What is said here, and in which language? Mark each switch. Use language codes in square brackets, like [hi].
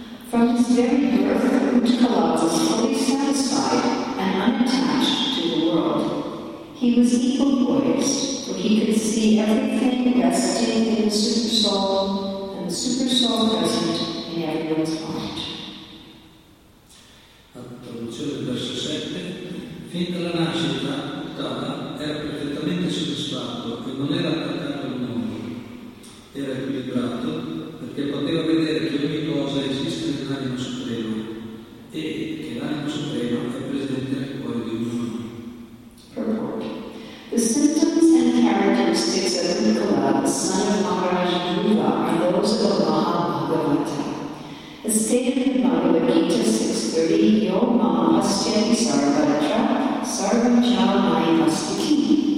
[en] From his very birth, Uttama was fully satisfied and unattached to the world. He was equal poised, for he could see everything resting in the super soul and the super soul present in everyone's heart. [it] Traduzione del verso 7: fin dalla nascita Uttama era perfettamente soddisfatto e non era attaccato al mondo, era equilibrato perché poteva vedere che ogni cosa esiste nell'anima suprema e che l'anima suprema è presente nel cuore di ognuno. [en] Purport: the symptoms and characteristics of Uttama, the son of Maharaj Dhruva, are those of the Mahabhagavata. As stated in Bhagavad Gita 6:30, [sa] Yo Mama Astyati Sarvatra, Sarvacha Mai Astiti.